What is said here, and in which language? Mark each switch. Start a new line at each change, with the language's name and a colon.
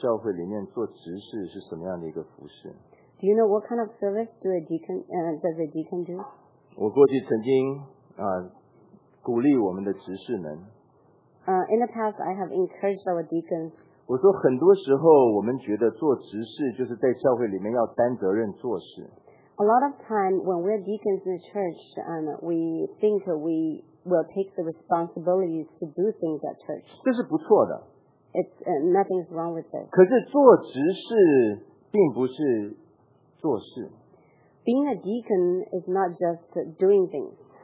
Chinese: 你知道在神的教会里面做执事是什么样的一个服侍?
English: Do you know what kind of service do a deacon, does a deacon do?
Chinese: 我过去曾经, 鼓励我们的执事们,
English: In the past, I have encouraged our deacons.
Chinese: 我说很多时候我们觉得做执事就是在教会里面要担责任做事。
English: A lot of time when we're deacons in the church, we think we will take the responsibilities to do things at church.
Chinese: 这是不错的。
English: It's nothing's wrong with it.
Chinese: 可是做执事并不是做事。
English: Being a deacon is not just doing things.